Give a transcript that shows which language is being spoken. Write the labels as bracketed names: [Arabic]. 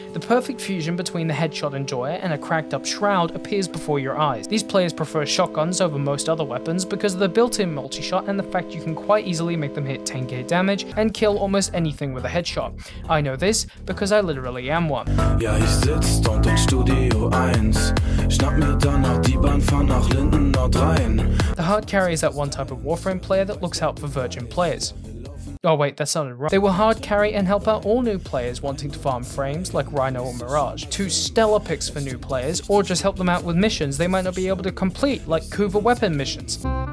[English] The perfect fusion between the headshot enjoyer and a cracked up shroud appears before your eyes. These players prefer shotguns over most other weapons because of the built-in multi-shot and the fact you can quite easily make them hit 10k damage and kill almost anything with a headshot. I know this because I literally am one. [German] Ja, ich sitz dort im Studio 1. Schnapp mir danach die Bahn, fahr nach Linden Nordrhein. [English] The hard carry is that one type of Warframe player that looks out for virgin players. Oh wait, that sounded wrong. They will hard carry and help out all new players wanting to farm frames like Rhino or Mirage. Two stellar picks for new players, or just help them out with missions they might not be able to complete, like Kuva weapon missions.